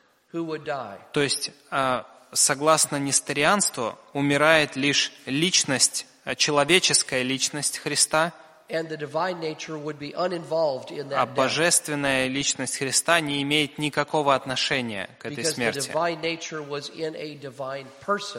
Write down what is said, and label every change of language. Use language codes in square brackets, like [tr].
[ru] То есть, согласно несторианству, умирает лишь личность, человеческая личность Христа. [en] And the divine nature would be uninvolved in that. [ru] А божественная личность Христа не имеет никакого отношения к этой смерти. [en] Because the divine nature was in a divine person.